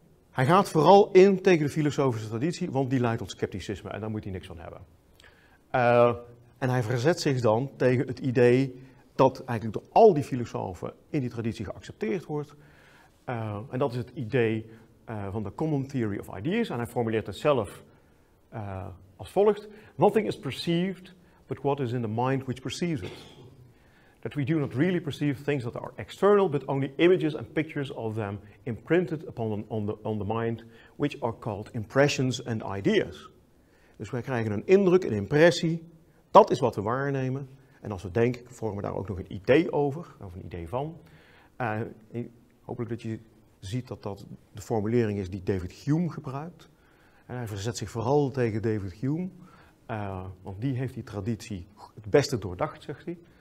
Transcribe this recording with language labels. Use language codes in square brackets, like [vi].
[nl] Hij gaat vooral in tegen de filosofische traditie, want die leidt tot scepticisme. En daar moet hij niks van hebben. En hij verzet zich dan tegen het idee dat eigenlijk door al die filosofen in die traditie geaccepteerd wordt. En dat is het idee van de Common Theory of Ideas. En hij formuleert het zelf als volgt. [en] Nothing is perceived but what is in the mind which perceives it. That we do not really perceive things that are external but only images and pictures of them imprinted upon on the mind which are called impressions and ideas. [nl] Dus wij krijgen een indruk, een impressie. Dat is wat we waarnemen. En als we denken, vormen we daar ook nog een idee over. Of een idee van. Hopelijk dat je ziet dat dat de formulering is die David Hume gebruikt. En hij verzet zich vooral tegen David Hume, want die heeft die traditie het beste doordacht, zegt hij.